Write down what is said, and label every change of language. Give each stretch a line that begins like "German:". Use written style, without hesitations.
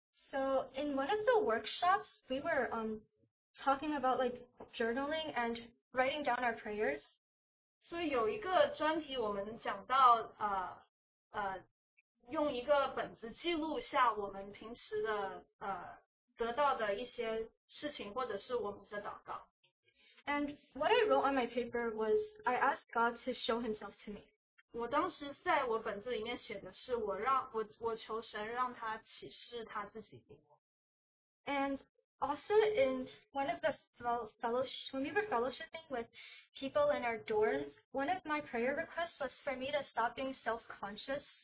English: So in one of the workshops, we were talking about like journaling and writing down our prayers.
Chinese: 所以有一个专题我们讲到 用一个本子记录下我们平时的 得到的一些事情或者是我们的祷告。
English: And what I wrote on my paper was I asked God to show himself to me.
Chinese: 我当时在我本子里面写的是我求神让他启示他自己。
English: And also in one of the fellowship, when we were fellowshipping with people in our dorms, one of my prayer requests was for me to stop being self-conscious.